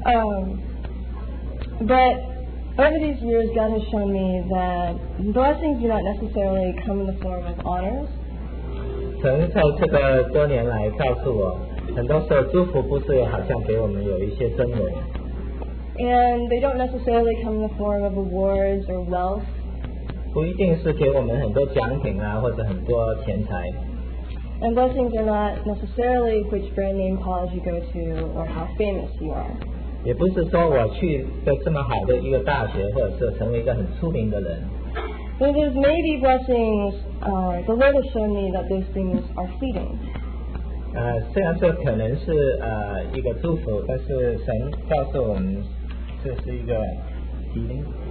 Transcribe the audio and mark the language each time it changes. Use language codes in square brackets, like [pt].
[en] But over these years, God has shown me that blessings do not necessarily come in the form of honors. [zh] 神透这个多年来, 告诉我, 很多时候祝福不是好像给我们有一些尊荣。 [en] And they don't necessarily come in the form of awards or wealth. [zh] 不一定是给我们很多奖品啊, 或者很多钱财。 [en] And blessings are not necessarily which brand name college you go to or how famous you are. [zh] 也不是说我去的这么好的一个大学或者是成为一个很出名的人。 [en] But there's maybe blessings, the Lord has shown me that those things are fleeting. [zh] 虽然这可能是一个祝福, 但是神告诉我们这是一个fleeting。